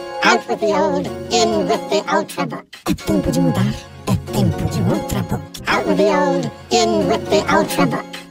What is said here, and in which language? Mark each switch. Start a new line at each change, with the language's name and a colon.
English: Out with the old, in with the Ultrabook.
Portuguese: É tempo de mudar, é tempo de Ultrabook.
English: Out with the old, in with the Ultrabook.